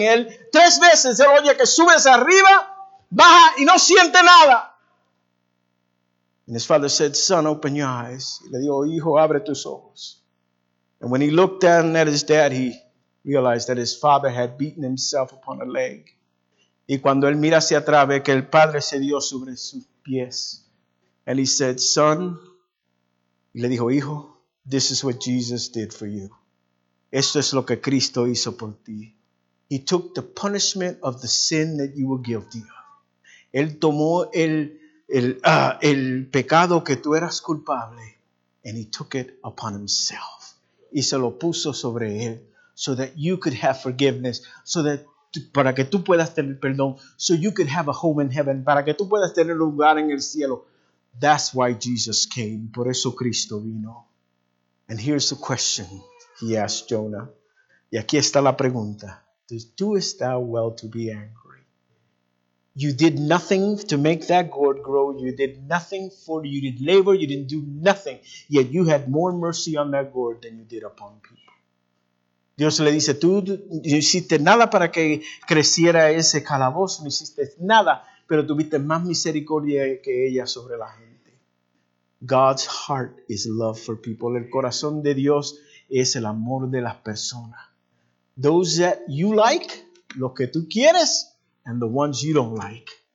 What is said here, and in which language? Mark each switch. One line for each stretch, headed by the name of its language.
Spanish: Él tres veces. Él oye que sube hacia arriba. Baja y no siente nada.
English: And his father said, son, open your eyes.
Spanish: Y le dijo, hijo, abre tus ojos.
English: And when he looked down at his dad, he realized that his father had beaten himself upon a leg.
Spanish: Y cuando él mira hacia atrás, ve que el padre se dio sobre sus pies.
English: And he said, son,
Spanish: y le dijo, hijo,
English: this is what Jesus did for you.
Spanish: Esto es lo que Cristo hizo por ti.
English: He took the punishment of the sin that you were guilty of.
Spanish: Él tomó el pecado que tú eras culpable,
English: and he took it upon himself.
Spanish: Y se lo puso sobre él,
English: so that you could have forgiveness,
Spanish: para que tú puedas tener perdón,
English: so you could have a home in heaven,
Spanish: para que tú puedas tener lugar en el cielo.
English: That's why Jesus came.
Spanish: Por eso Cristo vino.
English: And here's the question he asked Jonah.
Spanish: Y aquí está la pregunta.
English: Doest thou well to be angry? You did nothing to make that gourd grow. You did nothing for you. You did labor. You didn't do nothing. Yet you had more mercy on that gourd than you did upon people.
Spanish: Dios le dice, tú no hiciste nada para que creciera ese calabozo. No hiciste nada. Pero tuviste más misericordia que ella sobre la gente.
English: God's heart is love for people.
Spanish: El corazón de Dios es el amor de las personas.
English: Those that you like,
Spanish: los que tú quieres,
English: and the ones you don't like.